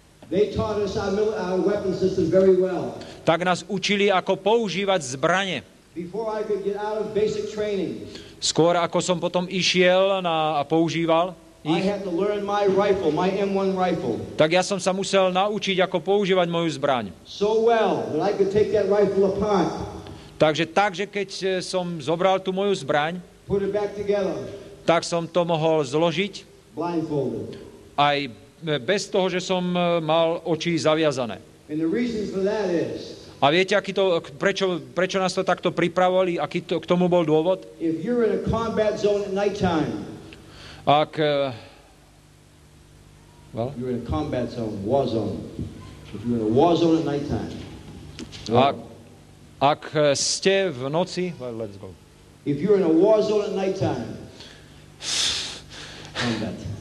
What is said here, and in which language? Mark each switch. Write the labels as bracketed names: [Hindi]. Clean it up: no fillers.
[English] they taught us our weapon system very well. [Slovak] Tak nás učili, ako používať zbrane. [English] Before I could get out of basic training. [Slovak] Skôr ako som potom išiel a používal ich. [English] I had to learn my rifle, my M1 rifle. [Slovak] Tak ja som sa musel naučiť, ako používať moju zbraň. [English] So well that I could take that rifle apart. [Slovak] Takže keď som zobral tú moju zbraň, [English] put it back together. [Slovak] Tak som to mohol zložiť [English] blindfolded. [Slovak] Aj bez toho, že som mal oči zaviazané. [English] And the reason for that is, [Slovak] a viete, aký to, prečo nás to takto pripravovali, aký to, k tomu bol dôvod? [English] If you're in a combat zone at nighttime, [Slovak] ak [English] you're in a combat zone, war zone. If you're in a war zone at nighttime, [Slovak] ak ste v noci, [English] well, let's go. If you're in a war zone at nighttime, combat.